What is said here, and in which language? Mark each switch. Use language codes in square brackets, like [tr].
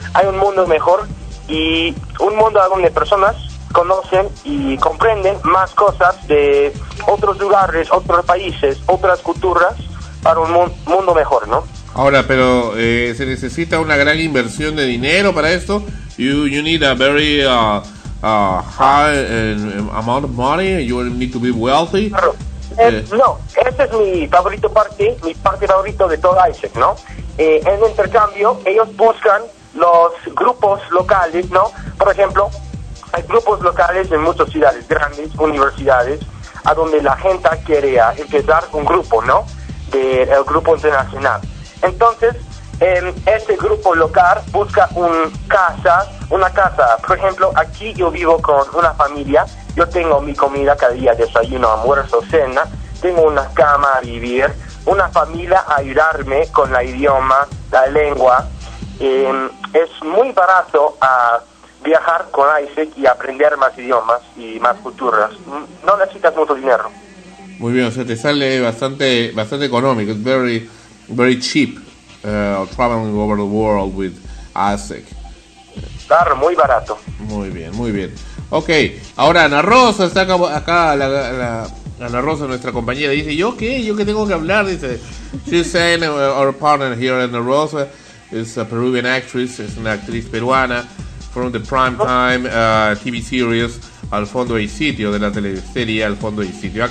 [es] Hay un mundo mejor y un mundo donde personas conocen y comprenden más cosas de otros lugares, otros países, otras culturas, para un mundo mejor, ¿no? Ahora, pero se necesita una gran inversión de dinero para esto. [en] You need a very high amount of money. You need to be wealthy. [es] Claro. No, esta es mi parte favorita de todo ISEC, ¿no? En intercambio, ellos buscan los grupos locales, ¿no? Por ejemplo, hay grupos locales en muchas ciudades grandes, universidades, a donde la gente quiere empezar un grupo, ¿no? del grupo internacional. Entonces, este grupo local busca una casa. Por ejemplo, aquí yo vivo con una familia, yo tengo mi comida cada día, desayuno, almuerzo, cena, tengo una cama a vivir, una familia a ayudarme con la idioma, la lengua. Es muy barato a viajar con ISEC y aprender más idiomas y más culturas. No necesitas mucho dinero. Muy bien, o sea, te sale bastante, bastante económico. [en] It's very, very cheap traveling over the world with ISEC. [es] Claro, muy barato. Muy bien, muy bien. Ok, ahora Ana Rosa está acá, Ana Rosa, nuestra compañera, dice, ¿yo qué? ¿Yo qué tengo que hablar? Dice, [en] she's saying our partner here, Ana Rosa, is a Peruvian actress, [es] es una actriz peruana, [en] from the primetime TV series, Al Fondo y Sitio, [es] de la teleserie [en] Al Fondo y Sitio.